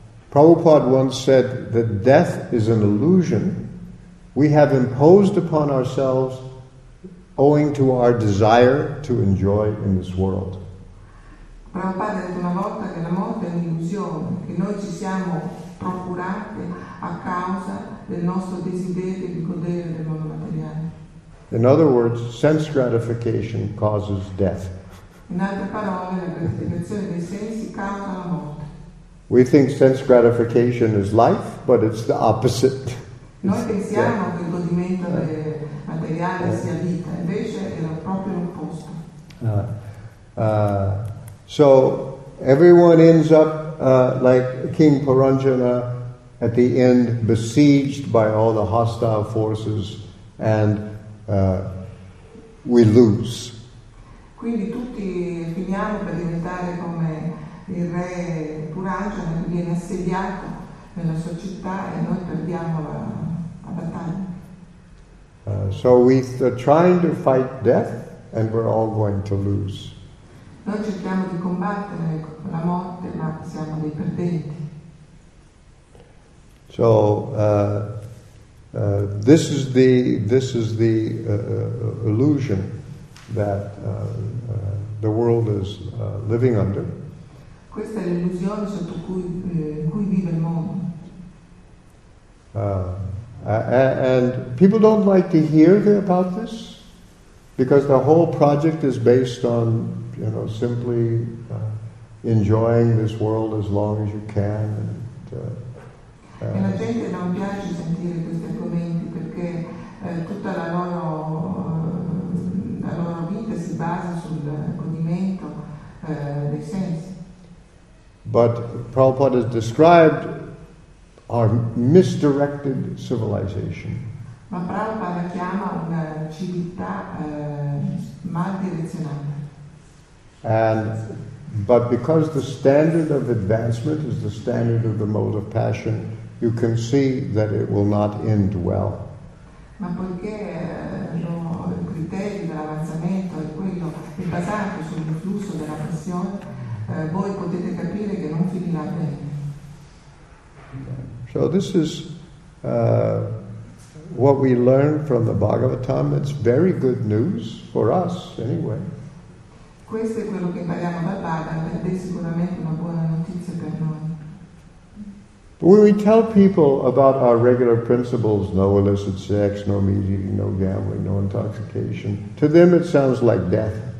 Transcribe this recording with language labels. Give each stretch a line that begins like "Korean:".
English: Prabhupada once said that death is an illusion we have imposed upon ourselves owing to our desire to enjoy in this world.
Italian: Prabhupada ha detto una volta che la morte è un'illusione, che noi ci siamo procurate a causa del nostro desiderio di godere del mondo materiale.
English: In other words, sense gratification causes death.
Italian: In altre parole, la gratificazione dei sensi causa la morte.
English: We think sense gratification is life, but it's the opposite.
Italian: Noi pensiamo che il godimento materiale sia vita, invece è proprio l'opposto.
English: So everyone ends up like King Paranjana at the end, besieged by all the hostile forces, and we lose.
Italian: Quindi tutti finiamo per diventare come il re Purajana che viene assediato nella sua città e noi perdiamo la, la battaglia.
English: So we are trying to fight death and we're all going to lose.
Italian: Noi cerchiamo di combattere la morte ma siamo dei perdenti.
English: So this is the illusion that the world is living under.
Italian: Questa è l'illusione sotto cui cui vive il mondo.
English: And people don't like to hear about this because the whole project is based on, you know, simply enjoying this world as long as you can. And,
Italian: e la gente non piace sentire questi argomenti perché tutta la loro vita si basa sul godimento dei sensi.
English: But Prabhupada has described our misdirected civilization.
Italian: Ma Prabhupada chiama una civiltà mal direzionata.
English: And but because the standard of advancement is the standard of the mode of passion, you can see that it will not end well.
Italian: Ma poiché il criterio dell'avanzamento è quello è basato sul flusso della passione, voi potete capire che non finirà bene.
English: So this is what we learn from the Bhagavatam. It's very good news for us, anyway.
Italian: Questo è quello che impariamo dal Bhagavatam, è sicuramente una buona notizia per noi.
English: When we tell people about our regular principles, no illicit sex, no meat eating, no gambling, no intoxication, to them it sounds like death.